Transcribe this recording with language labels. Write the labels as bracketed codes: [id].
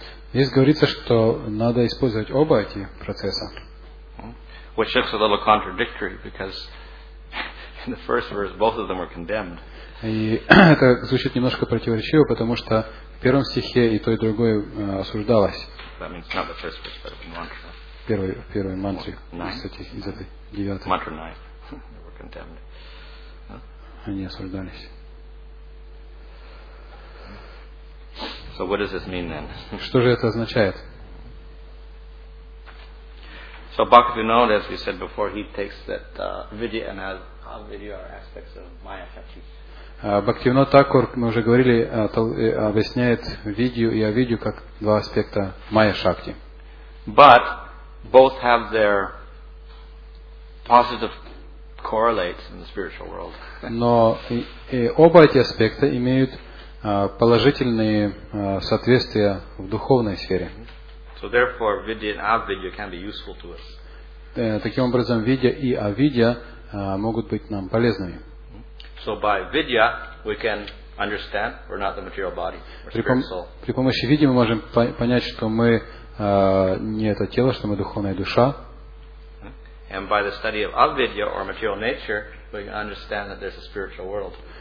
[ru] Здесь говорится, что надо использовать оба эти процесса. [en] Which looks a little contradictory because in the first verse both of them are condemned. [ru] И это звучит немножко противоречиво, потому что в первом стихе и то, и другое осуждалось. [en] That means not the first verse, but the mantra. [ru] Первый мантры, кстати, из этой девятой. [en] Mantra 9. They were condemned. [ru] Они осуждались. [en] So what does this mean then? [ru] Что же это означает? [en] So Bhaktivinoda, as we said before, he takes that vidya and avidya are aspects of maya shakti. [ru] Бхактивинода Такур, мы уже говорили, объясняет видью и авидью как два аспекта майя шакти. [en] But both have their positive correlates in the spiritual world. [ru] Но и оба эти аспекта имеют положительные соответствия в духовной сфере. [en] So therefore, vidya and avidya can be useful to us. [ru] Таким образом, видья и авидья могут быть нам полезными. [en] So by vidya we can understand we're not the material body. [ru] При помощи видьи мы можем понять, что мы не это тело, что мы духовная душа. [en] And by the study of avidya or material nature, we can understand that there's a spiritual world.